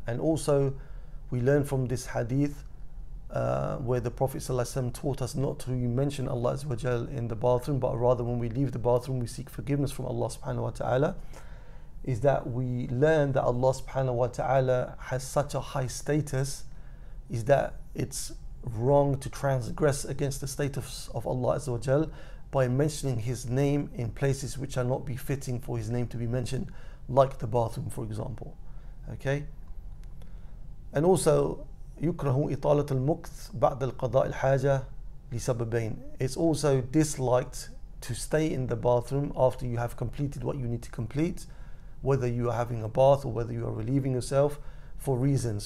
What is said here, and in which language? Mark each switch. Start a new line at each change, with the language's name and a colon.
English: And also we learn from this hadith where the Prophet ﷺ taught us not to mention Allah Azza wa Jal in the bathroom, but rather when we leave the bathroom we seek forgiveness from Allah subhanahu wa ta'ala, is that we learn that Allah subhanahu wa ta'ala has such a high status, is that it's wrong to transgress against the status of Allah Azza wa Jal by mentioning his name in places which are not befitting for his name to be mentioned, like the bathroom, for example. Okay? And also,
Arabic: يكره إطالة المكث بعد القضاء الحاجة لسببين.
English: It's also disliked to stay in the bathroom after you have completed what you need to complete, whether you are having a bath or whether you are relieving yourself, for reasons.